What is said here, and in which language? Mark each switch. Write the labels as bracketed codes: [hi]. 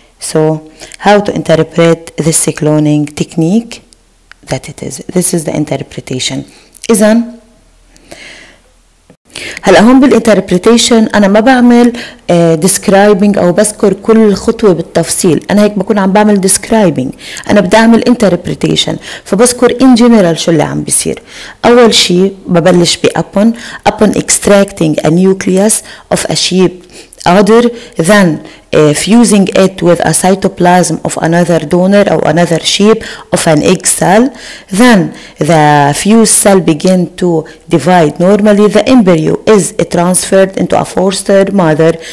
[en] So how to interpret this cloning technique, that it is, this is the interpretation. [ar] إذن هلأ هون بالإنتربريتيشن أنا ما بعمل ديسكرايبينج أو بذكر كل خطوة بالتفصيل, أنا هيك بكون عم بعمل ديسكرايبينج, أنا بدي أعمل إنتربريتيشن فبذكر إن جنرال شو اللي عم بيصير. أول شيء ببلش بأبون, أبون إكستراكتينج [en] a nucleus of a sheep other than fusing it with a cytoplasm of another donor or another sheep of an egg cell, then the fused cell begin to divide normally, the embryo is transferred into a foster mother,